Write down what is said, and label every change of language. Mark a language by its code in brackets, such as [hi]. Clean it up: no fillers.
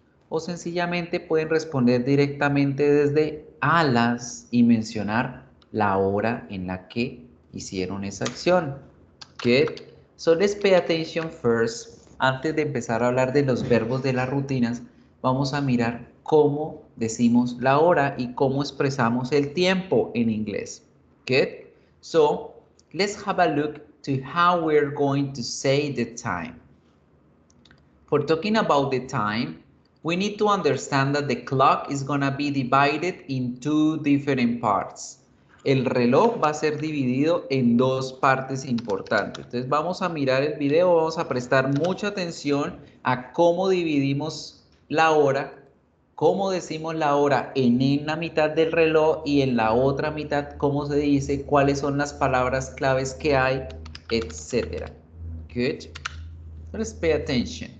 [es] O sencillamente pueden responder directamente desde a las y mencionar la hora en la que hicieron esa acción. Good. [en] So let's pay attention first. [es] Antes de empezar a hablar de los verbos de las rutinas, vamos a mirar cómo decimos la hora y cómo expresamos el tiempo en inglés. [en] Good. So let's have a look to how we're going to say the time. For talking about the time, we need to understand that the clock is going to be divided in two different parts. [es] El reloj va a ser dividido en dos partes importantes. Entonces vamos a mirar el video, vamos a prestar mucha atención a cómo dividimos la hora, cómo decimos la hora en la mitad del reloj y en la otra mitad cómo se dice, cuáles son las palabras claves que hay, etc. Good. [en] Let's pay attention.